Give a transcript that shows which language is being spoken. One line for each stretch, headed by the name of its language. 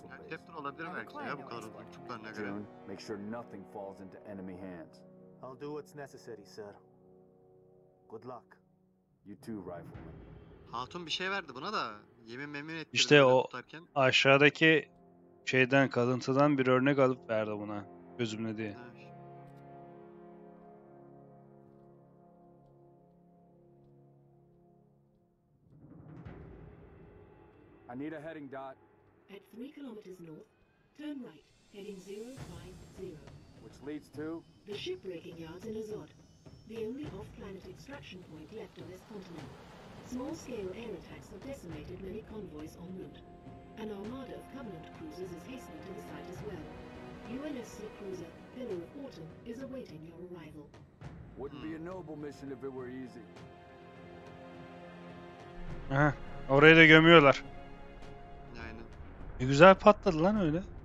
Turkish: Captain olabilir belki ya bu kadar uçuklarına göre.
English: Make sure nothing falls into enemy hands. I'll do what's necessary, sir. Good luck. You too, rifleman.
Turkish: Hatun bir şey verdi buna da yemin memnun etti. İşte o tutarken aşağıdaki şeyden, kalıntıdan bir örnek alıp verdi buna. Gözümle diye. Evet.
English: I need a heading dot. At 3 kilometers north, turn right, heading 050. Which leads to? The shipbreaking yards in Azod, the only off-planet extraction point left on this continent. Small-scale air attacks have decimated many convoys en route. An armada of Covenant cruisers is hastening to the site as well. UNSC cruiser Pillar of Autumn is awaiting your arrival. Wouldn't be a noble mission if it were easy.
Turkish: Aha, orayı da gömüyorlar. Ne güzel patladı lan öyle.